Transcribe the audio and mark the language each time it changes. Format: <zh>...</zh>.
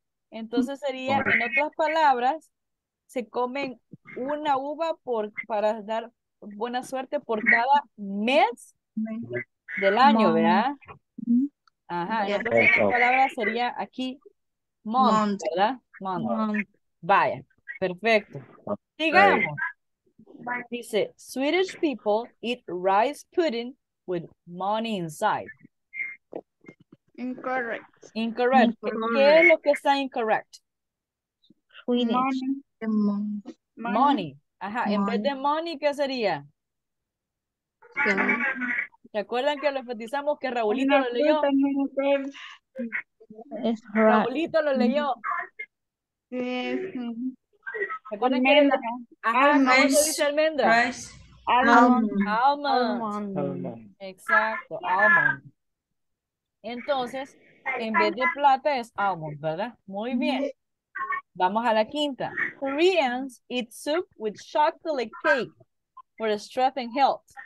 <es>Entonces sería, en otras palabras, se comen una uva para dar buena suerte por cada mes del año, ¿verdad? Ajá, entonces la palabra sería aquí month, ¿verdad?</es> <en>Month.</en> <es>Vaya, perfecto. Sigamos. Dice,</es> <en>Swedish people eat rice pudding with money inside. Incorrect.</en> <es>Incorrect. ¿Qué es lo que está incorrect?</es> <en>Swedish. Money.</en> <es>Ajá, en vez de money, ¿qué sería? ¿Se acuerdan que lo enfatizamos que Raulito lo leyó? Raulito lo leyó. ¿Se acuerdan que era? Ajá, ¿cómo se dice almendra?</es> <en>Almond.</en> <es>Exacto, almond. Entonces, en vez de plata es almond, ¿verdad? Muy bien. Vamos a la quinta.</es> <en>Koreans eat soup with chocolate cake for strength and health.</en>